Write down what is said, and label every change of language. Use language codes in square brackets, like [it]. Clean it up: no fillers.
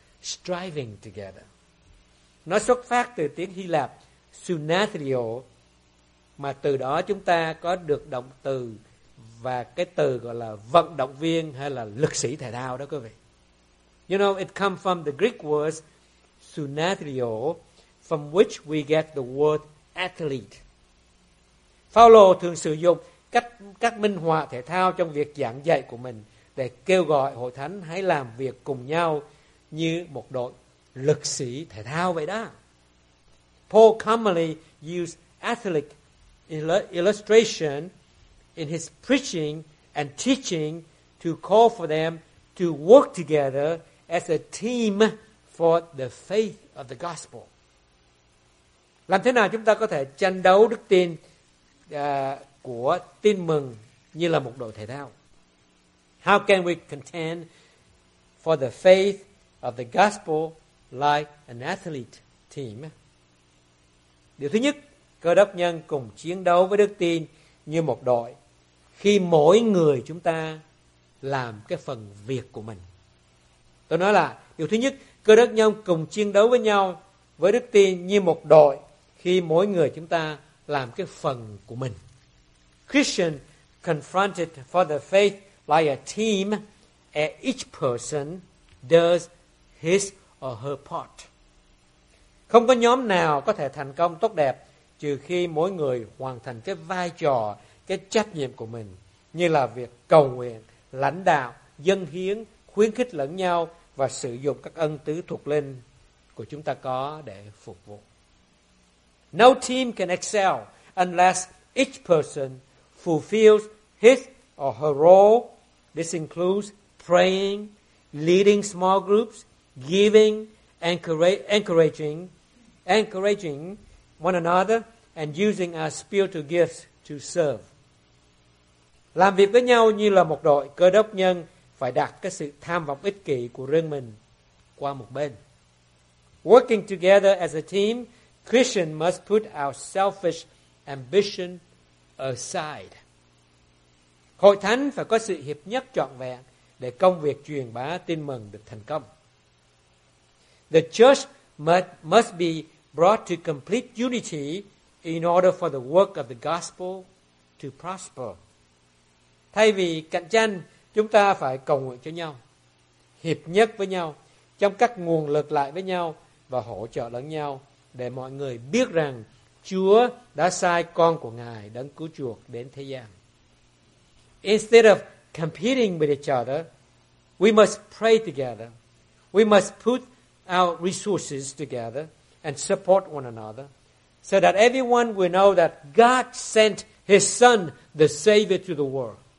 [en] Striving together. [vi] Nó xuất phát từ tiếng Hy Lạp synathrio, mà từ đó chúng ta có được động từ và cái từ gọi là vận động viên hay là lực sĩ thể thao đó quý vị. [en] You know, it comes from the Greek word synathrio, from which we get the word athlete. [vi] Phao-lô thường sử dụng các minh họa thể thao trong việc giảng dạy của mình để kêu gọi hội thánh hãy làm việc cùng nhau như một đội lực sĩ thể thao vậy đó. [en] Paul commonly used athletic illustration in his preaching and teaching to call for them to work together as a team for the faith of the gospel. [vi] Làm thế nào chúng ta có thể chiến đấu đức tin của tin mừng như là một đội thể thao? [en] How can we contend for the faith of the gospel like an athlete team? [vi] Điều thứ nhất, cơ đốc nhân cùng chiến đấu với đức tin như một đội khi mỗi người chúng ta làm cái phần việc của mình. Tôi nói là điều thứ nhất, cơ đốc nhân cùng chiến đấu với nhau với đức tin như một đội khi mỗi người chúng ta làm cái phần của mình. [en] Christian confronted for the faith like a team, and each person does his or her part. [vi] Không có nhóm nào có thể thành công tốt đẹp trừ khi mỗi người hoàn thành cái vai trò, cái trách nhiệm của mình, như là việc cầu nguyện, lãnh đạo, dâng hiến, khuyến khích lẫn nhau và sử dụng các ân tứ thuộc linh của chúng ta có để phục vụ. [en] No team can excel unless each person fulfills his or her role. This includes praying, leading small groups, giving, encouraging one another, and using our spiritual gifts to serve. [vi] Làm việc với nhau như là một đội, cơ đốc nhân phải đặt cái sự tham vọng ích kỷ của riêng mình qua một bên. [en] Working together as a team, Christian must put our selfish ambition aside. [vi] Hội thánh phải có sự hiệp nhất trọn vẹn để công việc truyền bá tin mừng được thành công. [en] The church must be brought to complete unity in order for the work of the gospel to prosper. [vi] Thay vì cạnh tranh, chúng ta phải cầu nguyện cho nhau, hiệp nhất với nhau, trong các nguồn lực lại với nhau và hỗ trợ lẫn nhau để mọi người biết rằng Chúa đã sai con của Ngài đấng cứu chuộc đến thế gian. [en] Instead of competing with each other, we must pray together. We must put our resources together and support one another so that everyone will know that God sent His Son, the Savior, to the world.